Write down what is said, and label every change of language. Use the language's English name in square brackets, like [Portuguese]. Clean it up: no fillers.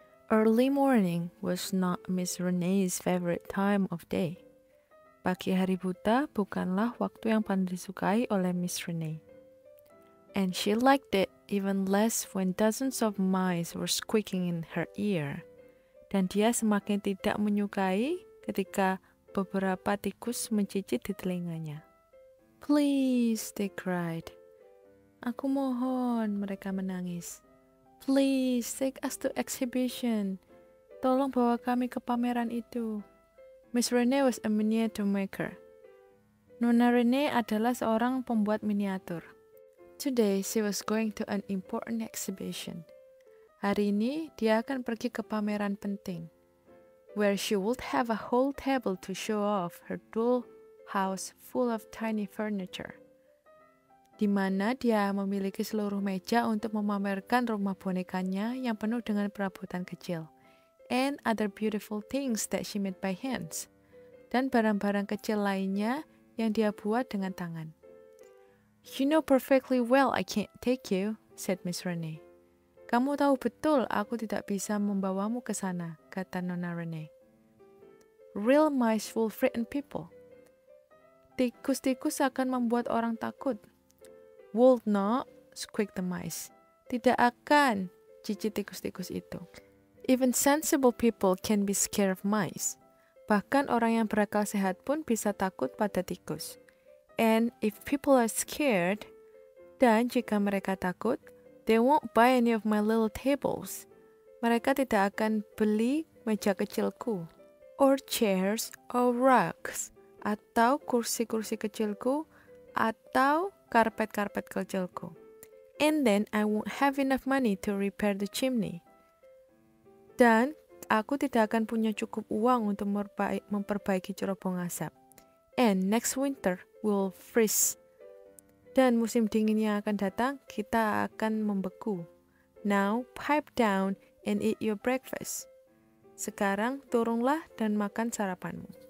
[English] Early morning was not Miss Renee's favorite time of day. [Indonesian] Pagi hari buta bukanlah waktu yang paling disukai oleh Miss Renee. [English] And she liked it even less when dozens of mice were squeaking in her ear. [Indonesian] Dan dia semakin tidak menyukai ketika beberapa tikus mencicit di telinganya. [English] Please, they cried. [Indonesian] Aku mohon, mereka menangis. [English] Please, take us to exhibition. [Indonesian] Tolong bawa kami ke pameran itu. [English] Miss Renee was a miniature maker. [Indonesian] Nona Renee adalah seorang pembuat miniatur. [English] Today, she was going to an important exhibition. [Indonesian] Hari ini, dia akan pergi ke pameran penting, [English] where she would have a whole table to show off her doll house full of tiny furniture. [Indonesian] Di mana dia memiliki seluruh meja untuk memamerkan rumah bonekanya yang penuh dengan perabotan kecil [English] and other beautiful things that she made by hands [Indonesian] dan barang-barang kecil lainnya yang dia buat dengan tangan. [English] You know perfectly well I can't take you, said Miss Renee. [Indonesian] Kamu tahu betul aku tidak bisa membawamu ke sana, kata Nona Renee. [English] Real mice will frighten people. [Indonesian] Tikus-tikus akan membuat orang takut. [English] Would not, squeak the mice. [Indonesian] Tidak akan, cicit tikus-tikus itu. [English] Even sensible people can be scared of mice. [Indonesian] Bahkan orang yang berakal sehat pun bisa takut pada tikus. [English] And if people are scared, [Indonesian] dan jika mereka takut, [English] they won't buy any of my little tables. [Indonesian] Mereka tidak akan beli meja kecilku. [English] Or chairs or rugs. [Indonesian] Atau kursi-kursi kecilku. Atau karpet-karpet kecilku. [English] And then I won't have enough money to repair the chimney. [Indonesian] Dan aku tidak akan punya cukup uang untuk memperbaiki cerobong asap. [English] And next winter will freeze. [Indonesian] Dan musim dingin yang akan datang, kita akan membeku. [English] Now pipe down and eat your breakfast. [Indonesian] Sekarang turunlah dan makan sarapanmu.